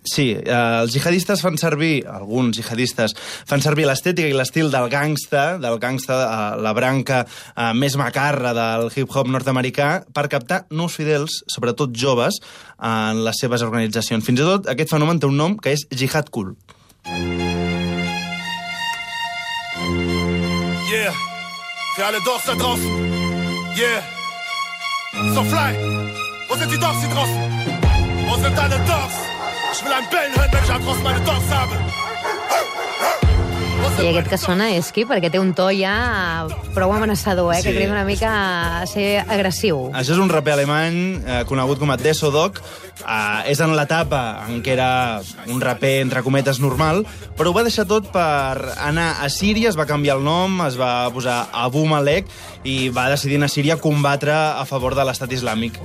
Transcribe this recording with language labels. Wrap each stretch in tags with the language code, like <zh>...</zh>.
<ca>Sí, els jihadistes fan servir, alguns jihadistes, fan servir l'estètica i l'estil del gangsta, la branca més macarra del hip-hop nord-americà, per captar nous fidels, sobretot joves, en les seves organitzacions. Fins i tot aquest fenomen té un nom, que és jihad cool.</ca> <de>Yeah, für alle Dorfs da draußen. Yeah, so fly. Wo sind die Dorfs hier draußen? Wo sind deine Dorfs? Ich will ein Bellen hören, wenn ich da draußen meine Dorfs habe.</de> <ca>I aquest que sona és qui? Perquè té un to ja prou amenaçador, eh? Sí. Que crida una mica a ser agressiu. Això és un raper alemany conegut com a Desodoc. És en l'etapa en què era un raper, entre cometes, normal, però ho va deixar tot per anar a Síria, es va canviar el nom, es va posar Abu Malek i va decidir anar a Síria a combatre a favor de l'estat islàmic.</ca>